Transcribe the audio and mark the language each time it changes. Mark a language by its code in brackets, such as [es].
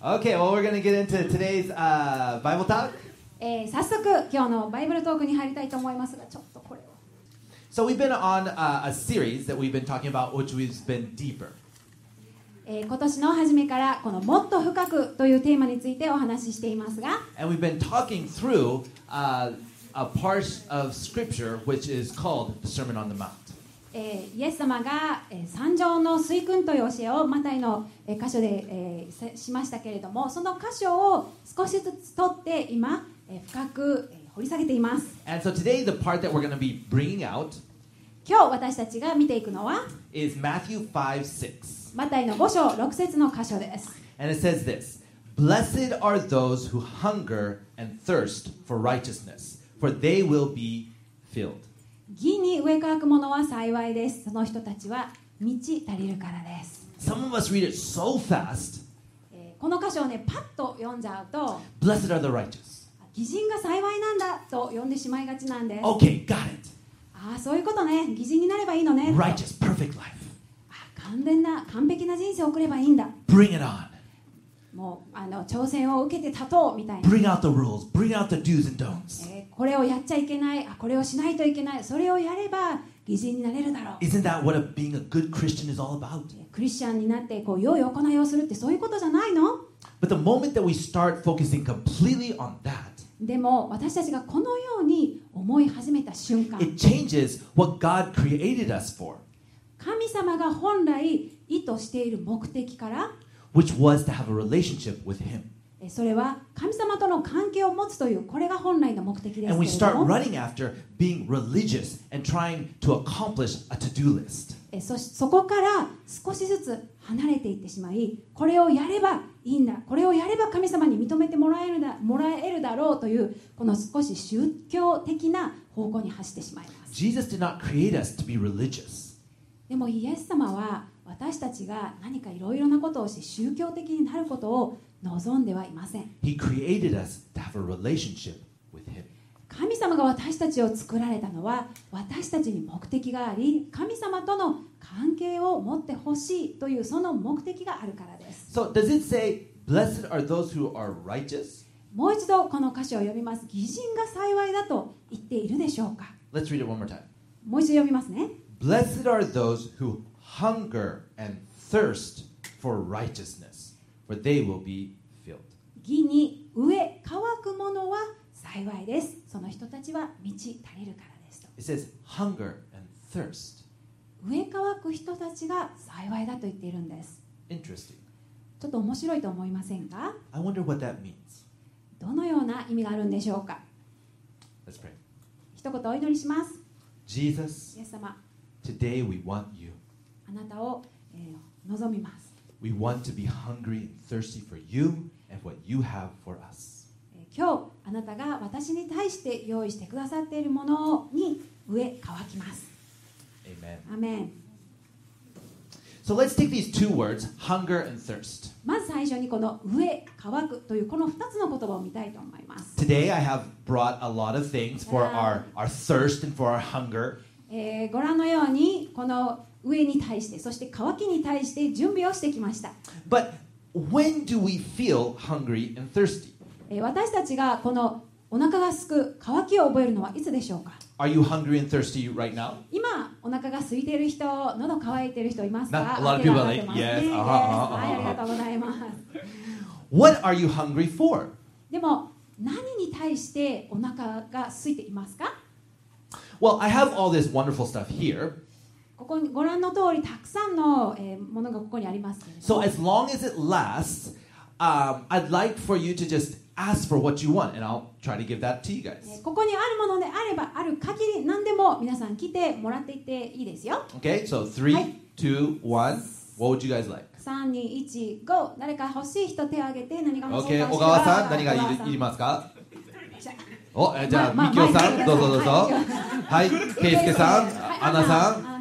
[en] Okay, well, we're going to get into today's Bible talk. [ja] 早速今日のバイブルトークに入りたいと思いますが、ちょっとこれを。 [en] So we've been on a series that we've been talking about, which we've been deeper. [ja] 今年の初めからこのもっと深くというテーマについてお話ししていますが、 [en] And we've been talking through a part of scripture which is called the Sermon on the Mount. [ja] イエス様が山上の水訓という教えをマタイの箇所で、しましたけれども、その箇所を少しずつ取って今、深く、掘り下げています。 [en] And so today the part that we're going to be bringing out [ja] 今日私たちが見ていくのは [en] is Matthew 5:6 [ja] マタイの5章6節の箇所です。 [en] And it says this: Blessed are those who hunger and thirst for righteousness, for they will be filled. [ja] 義に飢え渇くものは幸いです。その人たちは満ち足りるからです。 [en] Some of us read it so fast. [ja] この箇所を、ね、パッと読んじゃうと [en] Blessed are the righteous. [ja] 義人が幸いなんだと読んでしまいがちなんです。 [en] Okay, got it. [ja] ああ、そういうことね。義人になればいいのね。 [en] Righteous, perfect life. [ja] 完全な完璧な人生を送ればいいんだ。 [en] Bring it on. [ja] もうあの挑戦を受けて立とうみたいな。 [en] Bring out the rules. Bring out the do's and don'ts. [ja] これをやっちゃいけない、あ、これをしないといけない、それをやれば義人になれるだろう。 [en] Isn't that what being a good Christian is all about? [ja] クリスチャンになってこう良い行いをするってそういうことじゃないの？ [en] But the moment that we start focusing completely on that, [ja] でも私たちがこのように思い始めた瞬間、 [en] It changes what God created us for. [ja] 神様が本来意図している目的から、 [en] Which was to have a relationship with Him. [ja] それは神様との関係を持つという、これが本来の目的ですけれども。 [en] And we start running after being religious and trying to accomplish a to-do list. [ja] そこから少しずつ離れていってしまい、これをやればいいんだ、これをやれば神様に認めてもらえるだろうという、この少し宗教的な方向に走ってしまいます。 [en] Jesus did not create us to be religious. [ja] でもイエス様は私たちが何かいろいろなことをし、宗教的になることを望んではいません。 [en] He created us to have a relationship with him. [ja] 神様が私たちを作られたのは、私たちに目的があり、神様との関係を持ってほしいというその目的があるからです。 [en] So does it say, blessed are those who are righteous? [ja] もう一度この歌詞を読みます。義人が幸いだと言っているでしょうか。 [en] Let's read it one more time. [ja] もう一度読みますね。 [en] Blessed are those who hunger and thirst for righteousness. For they will be filled. [ja] 義に飢え渇くものは幸いです。その人たちは満ち足りるからですと。 [en] It says hunger and thirst. [ja] 飢え渇く人たちが幸いだと言っているんです。 [en] Interesting. [ja] ちょっと面白いと思いませんか？ [en] I wonder what that means. [ja] どのような意味があるんでしょうか？ [en] Let's pray. [ja] 一言お祈りします。 [en] Jesus. [ja] イエス様。 [en] Today we want you. [ja] あなたを、望みます。 [en] We want to be hungry and thirsty for you and what you have for us. [ja] 今日あなたが私に対して用意してくださっているものに飢え渇きます。 [en] Amen. Amen. So let's take these two words, hunger and thirst. [ja] まず最初にこの飢え渇くというこの2つの言葉を見たいと思います。 [en] Today I have brought a lot of things for our thirst and for our hunger. [ja] ご覧のようにこの飢えに対して、そして渇きに対して準備をしてきました。 [en] But when do we feel hungry and thirsty? [ja] 私たちがこのお腹が空く、渇きを覚えるのはいつでしょうか？ [en] Are you hungry and thirsty right now? [ja] 今お腹が空いている人、喉渇いている人いますか？ [en] Not a lot of people are like, yes. [ja] ありがとうございます。 [en] What are you hungry for? [ja] でも何に対してお腹が空いていますか？ [en] Well, I have all this wonderful stuff here. [ja] ここご覧の通りたくさんの、ものがここにありますけれども。 [en] So as long as it lasts, I'd like for you to just ask for what you want, and I'll try to give that to you guys. [ja] ここにあるものであればある限り何でも皆さん来てもらっていっていいですよ。 [en] Okay, so 3, 2, 1, what would you guys like? 3, 2, 1, go. [ja] 誰か欲しい人手を挙げて何が欲しいか。 Okay, 小川さん、何がいりますか？お、じゃあ、みきおさん、どうぞどうぞ。はい、けいすけさん、アナさん。